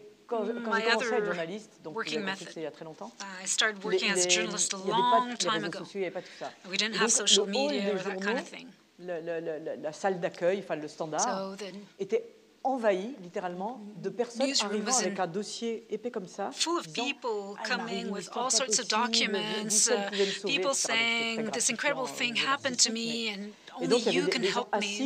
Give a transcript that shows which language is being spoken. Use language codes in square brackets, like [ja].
[en] My other working method. I started working as a journalist a long time ago. We didn't have social media or that kind of thing. [fr] La salle d'accueil, enfin le standard, était envahi littéralement de personnes arrivant avec un dossier épais comme ça. [en] Full of people coming with all sorts of documents, people saying this incredible thing happened to me and only you can help me.